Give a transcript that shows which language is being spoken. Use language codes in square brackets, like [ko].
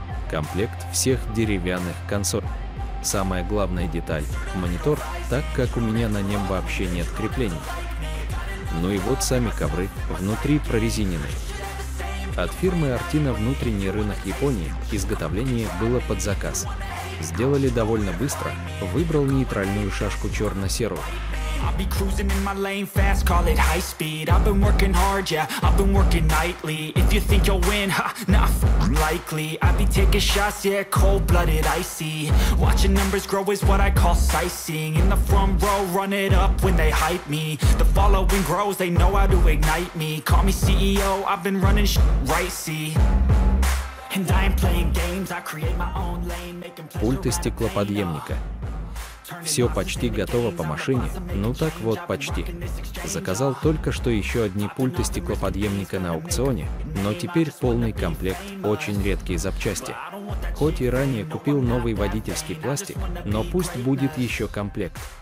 [ru] Комплект всех деревянных консоль. Самая главная деталь – монитор, так как у меня на нем вообще нет креплений. Ну и вот сами ковры, внутри прорезиненные. От фирмы Artina внутренний рынок Японии, изготовление было под заказ. Сделали довольно быстро, выбрал нейтральную шашку черно-серую. [en] I'll be cruising in my lane fast, call it high speed. I've been working hard, yeah, I've been working nightly. If you think you'll win, ha, nah, f***ing likely. I be taking shots, yeah, cold-blooded, icy. Watching numbers grow is what I call sightseeing. In the front row, run it up when they hype me. The following grows, they know how to ignite me. Call me CEO, I've been running right, see. And I ain't playing games, I create my own lane. Making pleasure out of pain. [ru] Все почти готово по машине, ну так вот почти. Заказал только что еще одни пульты стеклоподъемника на аукционе, но теперь полный комплект, очень редкие запчасти. Хоть и ранее купил новый водительский пластик, но пусть будет еще комплект.